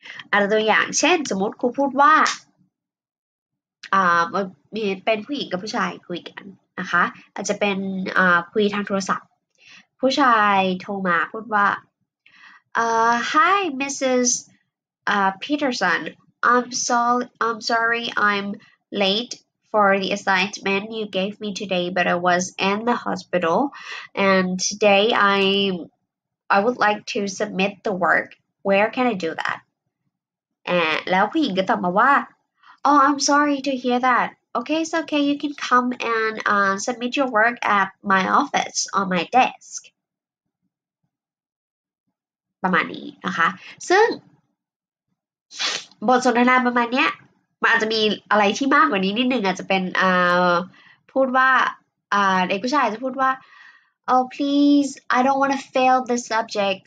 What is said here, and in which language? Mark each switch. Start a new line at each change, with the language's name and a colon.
Thai: อะไรตัวอย่างเช่นสมมติครูพูดว่ามีเป็นผู้หญิงกับผู้ชายคุยกันนะคะอาจจะเป็นคุยทางโทรศัพท์ผู้ชายโทรมาพูดว่า
English: Hi Mrs. Peterson I'm sorry I'm late for the assignment you gave me today but I was in the hospital and today I would like to submit the work where can I do that
Thai: แล้วผู้หญิงก็ตอบมาว่า
English: Oh I'm sorry to hear thatOkay, it's okay. You can come and submit your work at my office on my desk.
Thai: ประมาณนี้นะคะซึ่งบทสนทนาประมาณเนี้ยมันอาจจะมีอะไรที่มากกว่านี้นิดนึงอาจจะเป็นพูดว่าเด็กผู้ชายจะพูดว่า
English: Oh please, I don't want to fail the subject.